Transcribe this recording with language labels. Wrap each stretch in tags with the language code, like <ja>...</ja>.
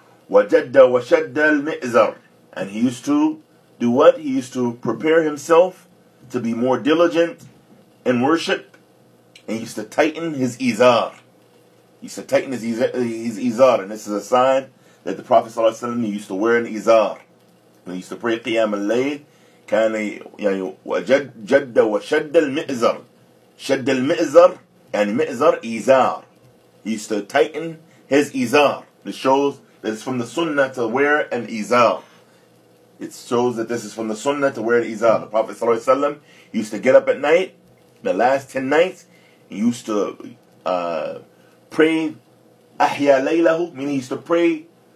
<ar>وَجَدَّ وَشَدَّ الْمِئْزَرِ,</ar> <en>and he used to do what? He used to prepare himself to be more diligent in worship, and he used to tighten his izar. He used to tighten his izar, and this is a sign that the Prophet ﷺ, he used to wear an izar. When he used to pray</en> <ar>قِيَامَ اللَّيْلِ, كان وجد وشد المئزر. شد المئزر يعني مئزر إزار.</ar> <en>He used to tighten his إزار. This shows that it's from the Sunnah to wear an إزار. It shows that this is from the Sunnah to wear an إزار. The Prophet ﷺ used to get up at night, the last 10 nights, he used to pray</en> <ar>أحيا ليلة,</ar> <en>meaning he used to pray</en>